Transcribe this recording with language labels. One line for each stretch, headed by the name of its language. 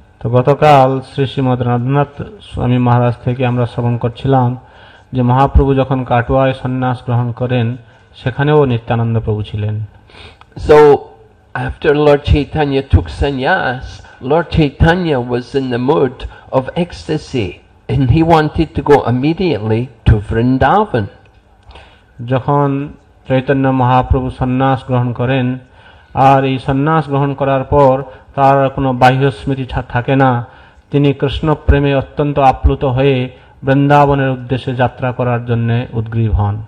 Bangla: তো গতকাল শ্রী শ্রীমদ রাধানাথ স্বামী মহারাজ থেকে আমরা শ্রবণ করছিলাম যে মহাপ্রভু যখন কাটোয়ায় সন্ন্যাস গ্রহণ করেন সেখানেও নিত্যানন্দ প্রভু ছিলেন.
English: So after Lord Chaitanya took sannyas, Lord Chaitanya was in the mood of ecstasy and he wanted to go immediately to Vrindavan.
Bangla: যখন চৈতন্য মহাপ্রভু সন্ন্যাস গ্রহণ করেন আর এই সন্ন্যাস গ্রহণ করার পর তার কোনো বাহ্য স্মৃতি থাকে না, তিনি কৃষ্ণ প্রেমে অত্যন্ত আপ্লুত হয়ে বৃন্দাবনের উদ্দেশ্যে যাত্রা করার জন্য উদগ্রীব হন.